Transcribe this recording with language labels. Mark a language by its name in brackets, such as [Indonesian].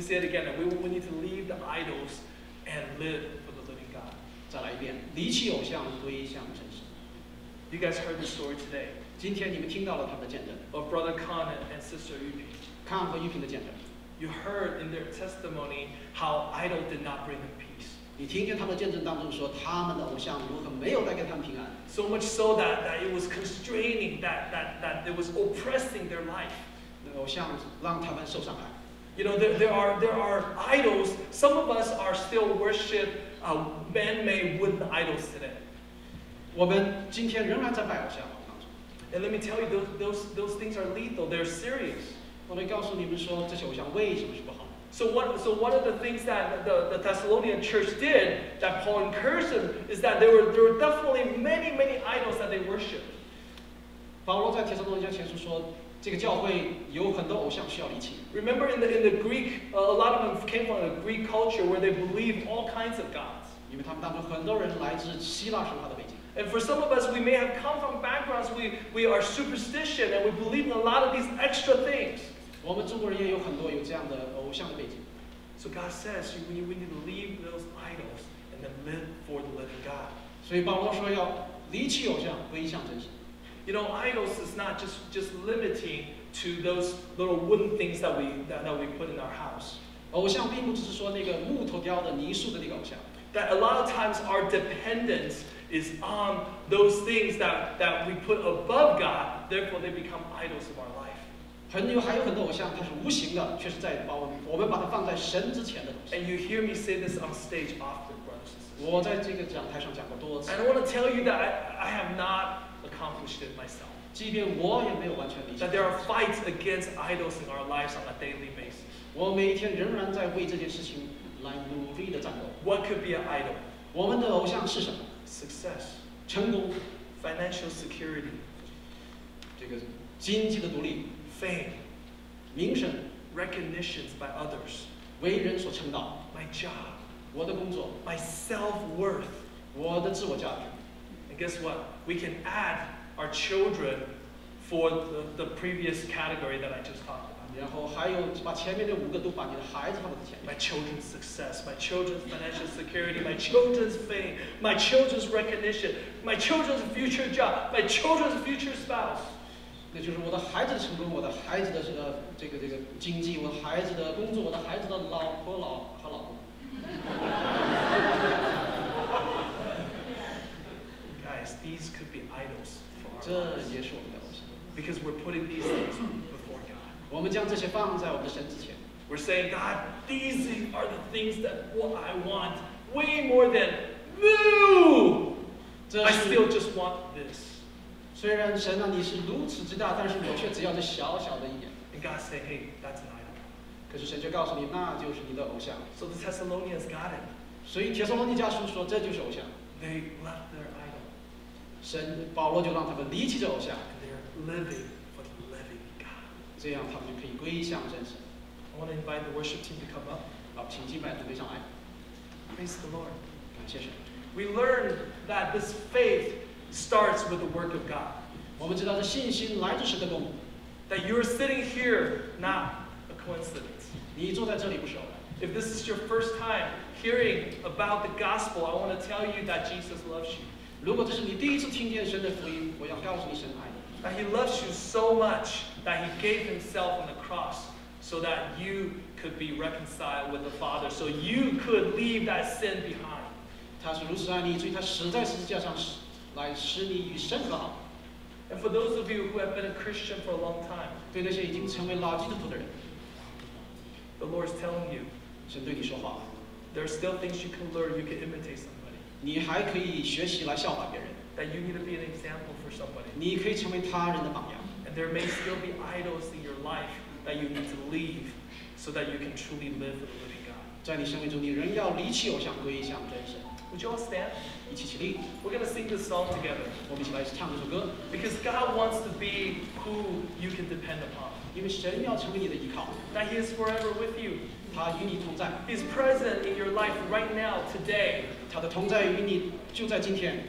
[English] Let me say it again. We need to leave the idols and live for the living God. [Chinese] 再来一遍，离弃偶像，归向真神。 [English] You guys heard the story today. [Chinese] 今天你们听到了他们的见证。 [English] Of Brother Khan and Sister Yuping. [Chinese] Khan 和 Yuping 的见证。 [English] You heard in their testimony how idol did not bring them peace. [Chinese] 你听见他们的见证当中说，他们的偶像如何没有带给他们平安。 [English] So much so that it was constraining, that it was oppressing their life. [Chinese] 那偶像让他们受伤害。 [English] You know, there are idols. Some of us are still worship man-made wooden idols today. [Chinese] 我们今天仍然在拜偶像。 [English] And let me tell you, those things are lethal. They're serious. [Chinese] 我来告诉你们说，这些偶像为什么是不好。 [English] So what are the things that the Thessalonian church did that Paul encouraged them is that there were definitely many, many idols that they worshiped. [Chinese] 保罗在帖撒罗尼迦前书说，这个教会有很多偶像需要离弃。 [English] Remember in the Greek, a lot of them came from the Greek culture where they believed all kinds of gods. [Chinese] 因为他们当中很多人来自希腊神话的背景。 [English] And for some of us, we may have come from backgrounds, we are superstition, and we believe in a lot of these extra things. [Chinese] 我们中国人也有很多有这样的偶像的背景。 [English] So God says, we need to leave those idols and then live for the living God. [Chinese] 所以保罗说要离弃偶像，归向真神。 [English] You know, idols is not just limiting to those little wooden things that we put in our house. [Chinese] 偶像并不只是说那个木头雕的泥塑的那个偶像。 [English] That a lot of times our dependence is on those things that we put above God, therefore they become idols of our life. [Chinese] 还有很多偶像，它是无形的，却是在我们把它放在神之前的东西。 [English] And you hear me say this on stage often, brothers and sisters. [Chinese] 我在这个讲台上讲过多次。 [English] And I want to tell you that I have not accomplished it myself. [Chinese] 即便我也没有完全理解。 [English] That there are fights against idols in our lives on a daily basis. [Chinese] 我每一天仍然在为这件事情来努力的战斗。 [English] What could be an idol? [Chinese] 我们的偶像是什么？ [English] Success, [Chinese] 成功 [English] financial security, [Chinese] 这个经济的独立 [English] fame, [Chinese] 名声 [English] recognitions by others, [Chinese] 为人所称道 [English] my job, [Chinese] 我的工作 [English] my self worth, [Chinese] 我的自我价值 [English] and guess what, we can add our children for the previous category that I just talked about. [Chinese] 然后还有把前面的五个都把你的孩子放在前面。 [English] My children's success, my children's financial security, my children's fame, my children's recognition, my children's future job, my children's future spouse. [Chinese] 那就是我的孩子的成功，我的孩子的这个经济，我的孩子的工作，我的孩子的老婆老和老公。 [English] Guys, these could be idols for our lives. [Chinese] 这也是我们的偶像。 [English] Because we're putting these things before God. [Chinese] 我们将这些放在我们的神之前。 [English] We're saying, God, these are the things that what I want way more than you. I still just want this. [Chinese] 虽然神啊，你是如此之大，但是我却只要这小小的一点。 [English] And God said, hey, that's an idol. [Chinese] 可是神却告诉你，那就是你的偶像。 [English] So the Thessalonians got it. [Chinese] 所以帖撒罗尼迦书说，这就是偶像。 [English] They left their idol. [Chinese] 神保罗就让他们离弃这偶像。 [English] Living for the living God. [Chinese] 这样他们就可以归向真神。 [English] I want to invite the worship team to come up. [Chinese] 好，请敬拜团队上来。 [English] Praise the Lord. [Chinese] 感谢神。 [English] We learned that this faith starts with the work of God. [Chinese] 我们知道这信心来自神的工。 [English] That you are sitting here, not a coincidence. [Chinese] 你坐在这里不是偶然。 [English] If this is your first time hearing about the gospel, I want to tell you that Jesus loves you. [Chinese] 如果这是你第一次听见神的福音，我要告诉你神爱你。 [English] That he loves you so much that he gave himself on the cross so that you could be reconciled with the Father, so you could leave that sin behind. [Chinese] 他是如此爱你，所以他死在十字架上，来使你与神和好。 [English] And for those of you who have been a Christian for a long time, [Chinese] 对那些已经成为老基督徒的人 [English] the Lord is telling you, [Chinese] 神对你说话。 [English] There are still things you can learn, you can imitate somebody. [Chinese] 你还可以学习来效法别人。 [English] That you need to be an example for somebody. [Chinese] 你可以成为他人的榜样。 [English] And there may still be idols in your life that you need to leave so that you can truly live with the living God. [Chinese] 在你生命中，你仍要离弃偶像，归向真神。 [English] Would you all stand? [Chinese] 一起起立。 [English] We're going to sing this song together. [Chinese] 我们一起来唱这首歌。 [English] Because God wants to be who you can depend upon. [Chinese] 因为神要成为你的依靠。 [English] That he is forever with you. [Chinese] 他与你同在。 [English] He's present in your life right now, today. [Chinese] 他的同在与你就在今天。